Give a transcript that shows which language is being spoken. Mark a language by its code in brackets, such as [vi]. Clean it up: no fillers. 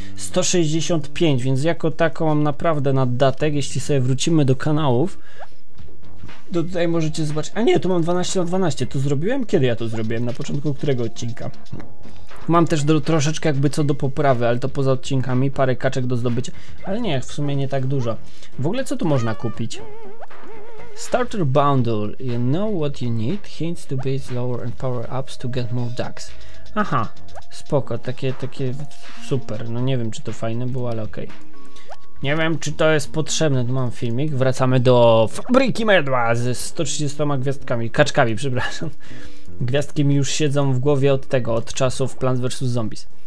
[pl] 165, więc jako tako mam naprawdę naddatek, jeśli sobie wrócimy do kanałów, to tutaj możecie zobaczyć, a nie, tu mam 12 na 12, to zrobiłem? Kiedy ja to zrobiłem? Na początku którego odcinka? Mam też troszeczkę jakby co do poprawy, ale to poza odcinkami, parę kaczek do zdobycia, ale nie, w sumie nie tak dużo. W ogóle co tu można kupić? [en] Starter bundle, you know what you need, hints to base lower and power ups to get more ducks. [pl] Aha, spoko, takie super, no nie wiem czy to fajne było, ale okej. Nie wiem czy to jest potrzebne, tu mam filmik, wracamy do fabryki medła ze 130 gwiazdkami, kaczkami, przepraszam. Gwiazdki mi już siedzą w głowie od tego, od czasów Plants vs. Zombies.